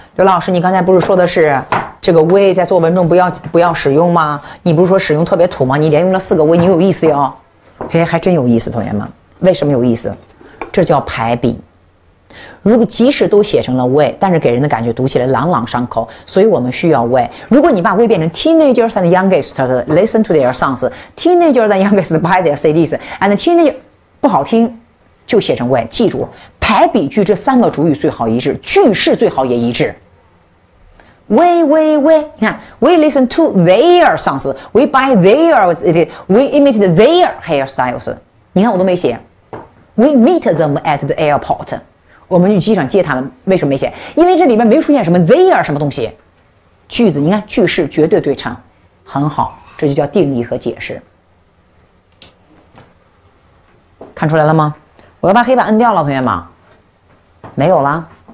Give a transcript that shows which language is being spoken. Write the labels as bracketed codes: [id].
[zh] 刘老师，你刚才不是说的是这个 we 在作文中不要使用吗？你不是说使用特别土吗？你连用了四个 we，你有意思哟。嘿，还真有意思，同学们，为什么有意思？这叫排比。如果即使都写成了 we，但是给人的感觉读起来朗朗上口，所以我们需要 we。如果你把 [en] we [zh] 变成 [en] teenagers and youngest listen to their songs，teenagers and youngest buy their CDs，and teenager [zh] 不好听，就写成 [en] we。 [zh] 记住，排比句这三个主语最好一致，句式最好也一致。 [en] We， [zh] 你看， [en] we listen to their songs，we buy their，we imitate their hairstyles。 [zh] 你看我都没写， [en] we meet them at the airport。 [zh] 我们去机场接他们，为什么没写？因为这里面没出现什么 there 什么东西。句子，你看句式绝对对称，很好，这就叫定义和解释。看出来了吗？我要把黑板摁掉了，同学们。没有了。